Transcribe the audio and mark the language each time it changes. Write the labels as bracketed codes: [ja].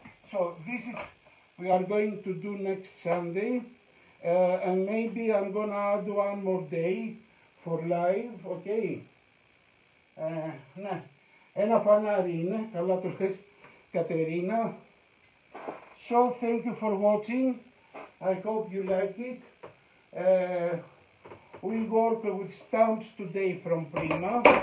[en] So this is, we are going to do next Sunday, and maybe I'm gonna add one more day for live, okay? [el] Ένα φανάρι είναι, καλά το χες, Κατερίνα. [en] So thank you for watching, I hope you like it. We work with stamps today from Prima.